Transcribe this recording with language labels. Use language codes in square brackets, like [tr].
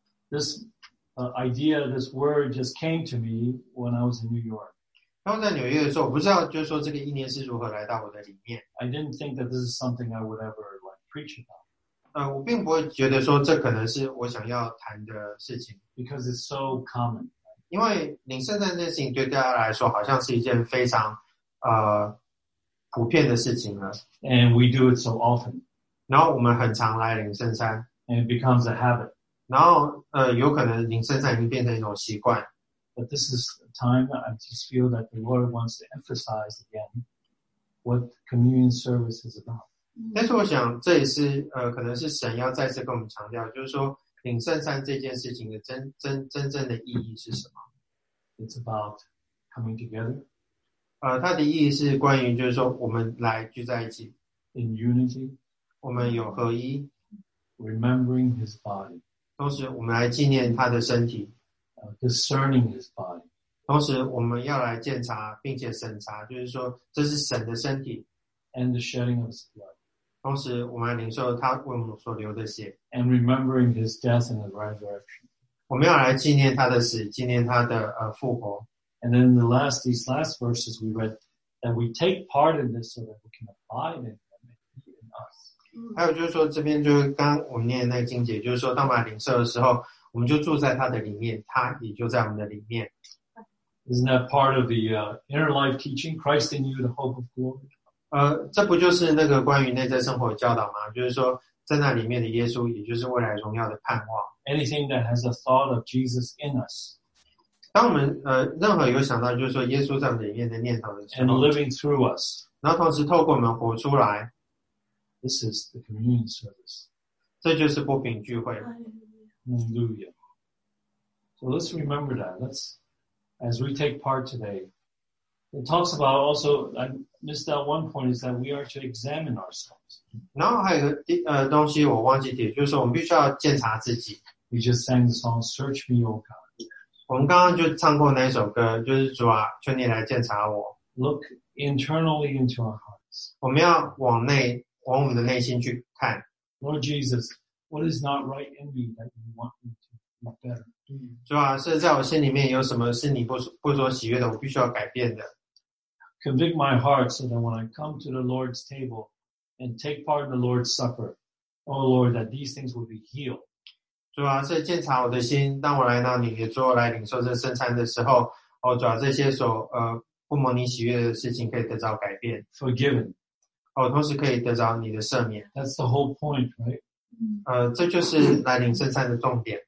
[en] This word just came to me when I was in New York. [zh] 当在纽约的时候，我不知道就是说这个意念是如何来到我的里面。 [en] I didn't think that this is something I would ever preach about. [zh] 我并不会觉得说这可能是我想要谈的事情。 [en] Because it's so common. [zh] 因为领圣餐这件事情对大家来说好像是一件非常普遍的事情了。 [en] And we do it so often. [zh] 然后我们很常来领圣餐。 [en] And it becomes a habit. [zh] 然后有可能领圣餐已经变成一种习惯。 [en] But this is a time that I just feel that the Lord wants to emphasize again what communion service is about. [zh] 但是我想这也是可能是神要再次跟我们强调，就是说领圣餐这件事情的真正的意义是什么。 [en] It's about coming together. [zh] 它的意义是关于就是说我们来聚在一起。 [en] In unity. [zh] 我们有合一。 [en] Remembering his body. [zh] 同时我们来纪念他的身体。 [en] Discerning his body. [zh] 同时我们要来检查并且审查，就是说这是神的身体。 [en] And the shedding of his blood. [zh] 同时我们来领受他为我们所流的血。 [en] And remembering his death and the resurrection. [zh] 我们要来纪念他的死，纪念他的复活。 [en] And then these last verses we read, that we take part in this so that we can abide in him and he in us. [zh] 还有就是说这边就是刚我们念的那个经节，就是说当我们领受的时候，我们就住在他的里面，他也就在我们的里面。 [en] Isn't that part of the inner life teaching, Christ in you, the hope of glory? [zh] 这不就是那个关于内在生活的教导吗？就是说，在那里面的耶稣，也就是未来荣耀的盼望。 [en] Anything that has a thought of Jesus in us. [zh] 当我们任何有想到就是说耶稣在我们里面的念头的时候 [en] and living through us, [zh] 然后同时透过我们活出来 [en] This is the communion service. [zh] 这就是擘饼聚会 [en] Hallelujah. So let's remember that. Let's, as we take part today, it talks about also, I missed that one point, is that we are to examine ourselves. [zh] 然后还有一个东西我忘记提，就是我们必须要检查自己。 [en] We just sang the song, Search Me, O God. [zh] 我们刚刚就唱过那首歌，就是主啊，求你来检查我。 [en] Look internally into our hearts. [zh] 我们要往内，往我们的内心去看。 [en] Lord Jesus, what is not right in me that you want me to be better? [zh] 主啊，是在我心里面有什么是你不所喜悦的，我必须要改变的。 [en] Convict my heart so that when I come to the Lord's table and take part in the Lord's supper, oh Lord, that these things will be healed. [zh] 主啊，是检查我的心，当我来到你的桌来领受这圣餐的时候，哦，主啊，这些所不蒙你喜悦的事情可以得到改变 [en] ，forgiven， [zh] 哦，同时可以得到你的赦免。 [en] That's the whole point, right？ [zh] 这就是来领圣餐的重点。